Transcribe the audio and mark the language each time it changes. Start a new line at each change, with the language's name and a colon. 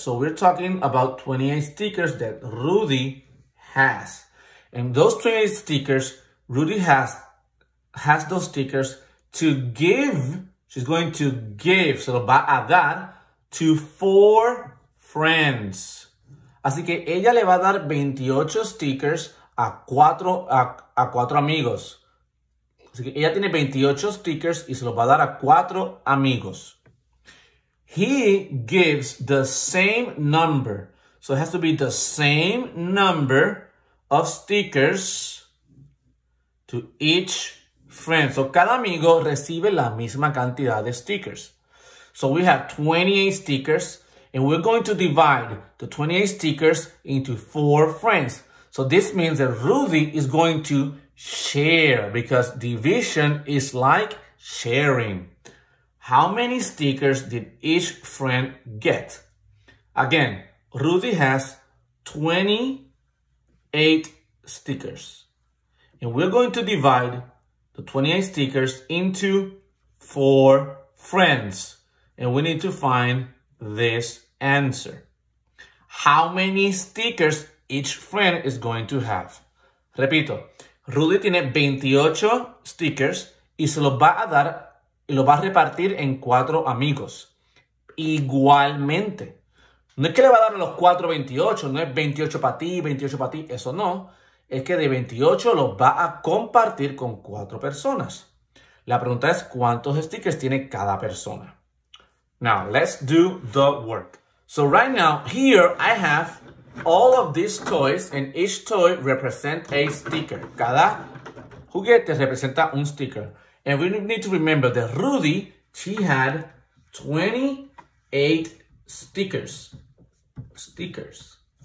English: So we're talking about 28 stickers that Rudy has. And those 28 stickers, Rudy has those stickers to give, she's going to give, so
Spanish: va a dar,
English: to 4 friends.
Spanish: Así que ella le va a dar 28 stickers a cuatro amigos. Así que ella tiene 28 stickers y se los va a dar a 4 amigos.
English: He gives the same number. So it has to be the same number of stickers to each friend.
Spanish: So cada amigo recibe la misma cantidad de stickers.
English: So we have 28 stickers. And we're going to divide the 28 stickers into 4 friends. So this means that Rudy is going to share, because division is like sharing. How many stickers did each friend get? Again, Rudy has 28 stickers. And we're going to divide the 28 stickers into 4 friends. And we need to find this answer. How many stickers each friend is going to have?
Spanish: Repito, Rudy tiene 28 stickers y se los va a dar y los va a repartir en 4 amigos. Igualmente. No es que le va a dar a los 4 28, no es 28 para ti, 28 para ti, eso no. Es que de 28 los va a compartir con 4 personas. La pregunta es cuántos stickers tiene cada persona.
English: Now, let's do the work. So right now, here I have all of these toys, and each toy represents a sticker.
Spanish: Cada juguete representa un sticker.
English: And we need to remember that Rudy, she had 28 stickers. Stickers.